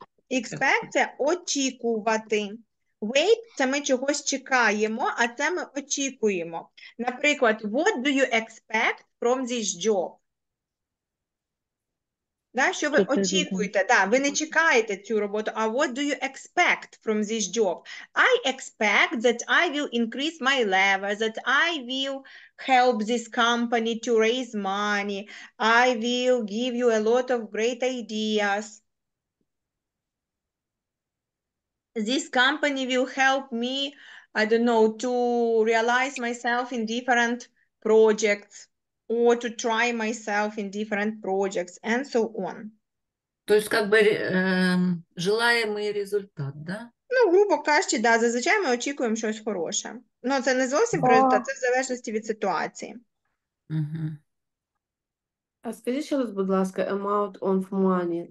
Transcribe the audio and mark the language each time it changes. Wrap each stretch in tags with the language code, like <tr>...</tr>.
<uk>Expect – це очікувати. Wait – це ми чогось чекаємо, а це ми очікуємо. Наприклад,</uk> <en>what do you expect from this job?</en> <uk>Да, що ви очікуєте? Да, ви не чекаєте цю роботу.</uk> <en>А what do you expect from this job? I expect that I will increase my level, that I will help this company to raise money, I will give you a lot of great ideas. This company will help me, I don't know, to realize myself in different projects or to try myself in different projects and so on.</en> <uk>Тобто, як би, желаємий результат, да? Ну, грубо кажучи, да, зазвичай ми очікуємо щось хороше. Ну, це не зовсім про результат, це в залежності від ситуації. Угу. А скажіть ще раз, будь ласка,</uk> <en>amount of money.</en>